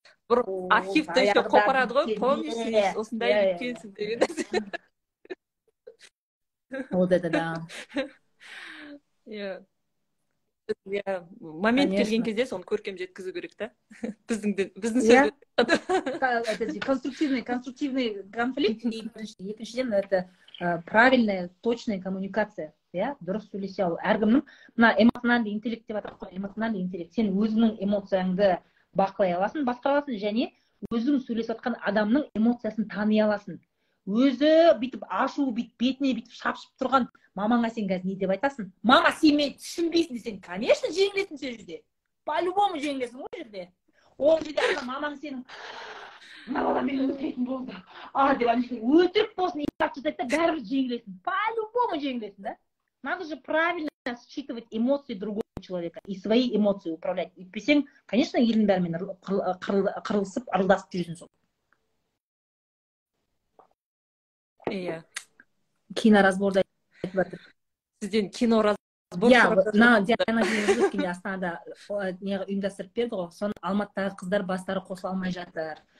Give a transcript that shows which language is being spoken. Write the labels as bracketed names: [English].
[Kazakh] бір архивті еще қопарады ғой, помнишь осындай екенсің деген. [Russian] Вот это да. [Kazakh] Иә, момент келген кезде соны көркем жеткізу керек та, біздің сөз [Russian] конструктивный конфликт. Екіншіден это правильная точная коммуникация, иә, [Kazakh] дұрыс сөйлесе алу. Әркімнің мына эмоциональный интеллект деп атады ғой, эмоциональный интеллект, сен өзіңнің эмоцияңды бақылай аласың, басқара аласың және өзің сөйлесіп жатқан адамның эмоциясын тани аласың. Өзі бүйтіп ашуы бүйтіп бетіне бүйтіп шапшып тұрған мамаңа сен қазір не деп айтасың? Мама, сен мені түсінбейсің десең, конечно жеңілесің сол жерде. по-любому жеңілесің ғой жерде. Ол жерде ана мамаң сенің мына бала мені үлтейтін болды деп өтірік болсын айтса, бәрібір жеңілесің, по-любому жеңілесің да. [Russian] Надо же правильно считывать эмоции другого человека и свои эмоции управлять. [Kazakh] Өйтпесең, конечно, елдің бәрімен қырылысып, ырылдасып жүресің сол. Иә. Киноразборда айтып жатыр. Сізден киноразбор сұрап жатыр. Иә, мына Диана Жүзіскенде Астанада неге ұйымдастырып берді ғой, соны Алматыдағы қыздар бастары қосыла алмай жатыр.